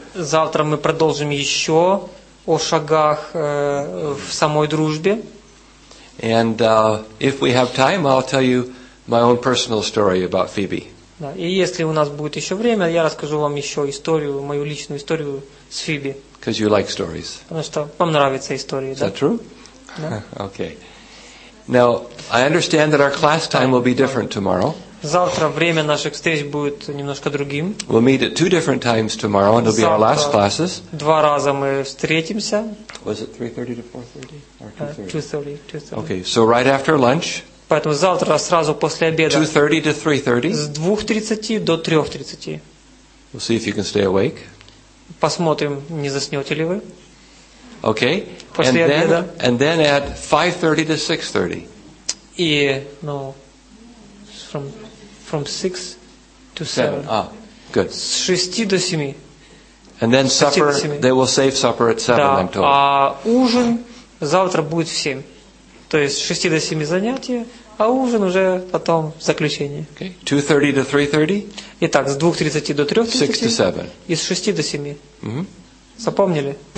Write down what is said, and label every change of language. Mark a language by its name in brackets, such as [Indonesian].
[Ukrainian] Завтра ми продовжимо ще о шагах в самой дружбі. [English] And if we have time, I'll tell you my own personal story about Phoebe. [Ukrainian] Да, і якщо у нас буде ще время, я розкажу вам ще історію, мою личну історію з Фібі. Because you like stories. Тому що вам подобаються історії, [English] так? Is that true? Да. Okay. Now, I understand that our class time will be different tomorrow. [Russian] Завтра время наших встреч буде немножко другим. [English] We'll meet at two different times tomorrow, and it'll be our last classes. [Ukrainian] Два рази ми встретимся. [English] Was it 3:30 to 4:30? 2:30. Okay, so right after lunch. [Russian] Поэтому завтра сразу после обеда. [English] 2:30 to 3:30. [Russian] С 2:30 до 3:30. [English] We'll see if you can stay awake. [Russian] Посмотрим, не заснете ли вы. [English] Okay. [Russian] После [English] and [Russian] обеда. [English] Then, and then at 5:30 to 6:30. [Russian] И, ну, [English] from 6 to 7. Ah, good. [Russian] С 6 до 7. [English] And then supper, they will save supper at 7, [Russian] да. [English] I'm told. [Russian] А ужин завтра будет в 7. То есть с 6 до 7 занятия, а ужин уже потом в заключение. [English] Okay. 2:30 to 3:30. [Russian] Итак, с 2:30 до 3:30. [English] 6 to 7. [Russian] И с 6 до 7. Mm-hmm. Запомнили?